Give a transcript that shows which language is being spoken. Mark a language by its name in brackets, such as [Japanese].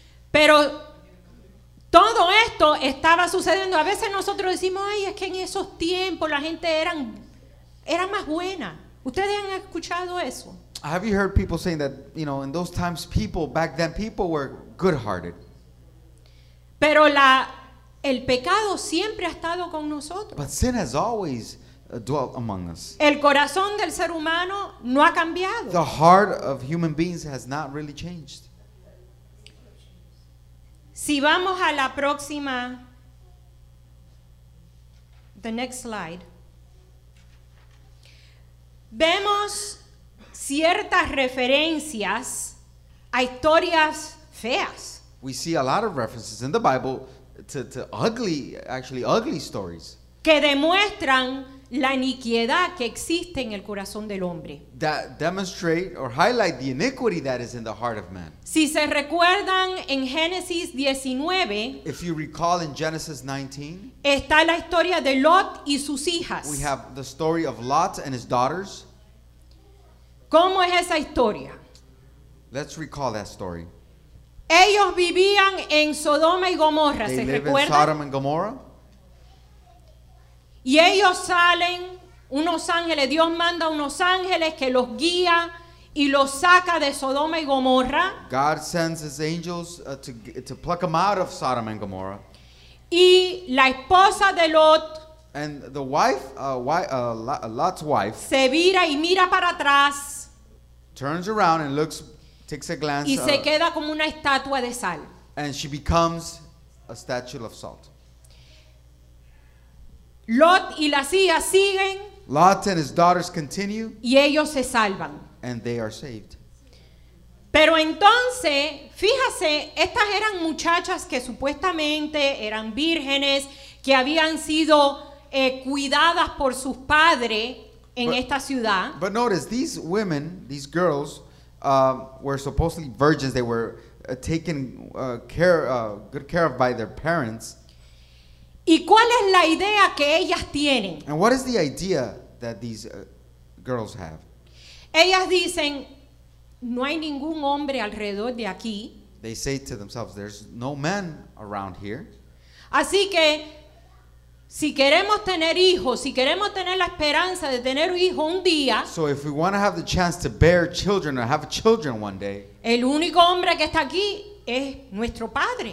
[Spanish] Pero todo esto estaba sucediendo. A veces nosotros decimos, ay, es que en esos tiempos la gente era más buena. ¿Ustedes han escuchado eso? [English] Have you heard people saying that, you know, in those times, people, back then, people were good-hearted? [Spanish] Pero el pecado siempre ha estado con nosotros. [English] But sin has always dwell among us. [Spanish] El corazón del ser humano no ha cambiado. [English] The heart of human beings has not really changed. [Spanish] Si vamos a la próxima, [English] the next slide, [Spanish] vemos ciertas referencias a historias feas. [English] We see a lot of references in the Bible to ugly, actually ugly stories. [Spanish] Que demuestran la iniquidad que existe en el corazón del hombre. [English] That demonstrate or highlight the iniquity that is in the heart of man. [Spanish] Si se recuerdan en Génesis 19, [English] if you recall in Genesis 19, [Spanish] está la historia de Lot y sus hijas. [English] We have the story of Lot and his daughters. [Spanish] ¿Cómo es esa historia? [English] Let's recall that story. [Spanish] Ellos vivían en Sodoma y Gomorra, [English] they [Spanish] ¿se recuerdan? [English] They live in Sodom and Gomorrah. [Spanish] Y ellos salen, unos ángeles, Dios manda unos ángeles que los guía y los saca de Sodoma y Gomorra. [English] God sends his angels to pluck them out of Sodom and Gomorrah. [Spanish] Y la esposa de Lot, [English] and the wife, Lot's wife, [Spanish] se vira y mira para atrás, [English] turns around and looks, takes a glance, [Spanish] y se queda como una estatua de sal. [English] And she becomes a statue of salt. [Spanish] Lot y las hijas siguen. [English] Lot and his daughters continue. [Spanish] Y ellos se salvan. [English] And they are saved. [Spanish] Pero entonces, fíjese, estas eran muchachas que supuestamente eran vírgenes, que habían sido cuidadas por sus padres en esta ciudad. [English] But notice, these women, these girls, were supposedly virgins. They were taken good care of by their parents. [Spanish] ¿Y cuál es la idea que ellas tienen? [English] And what is the idea that these girls have? [Spanish] Ellas dicen, no hay ningún hombre alrededor de aquí. [English] They say to themselves, there's no man around here. [Spanish] Así que, si queremos tener hijos, si queremos tener la esperanza de tener hijos un día, [English] so if we want to have the chance to bear children or have children one day, [Spanish] el único hombre que está aquí es nuestro padre.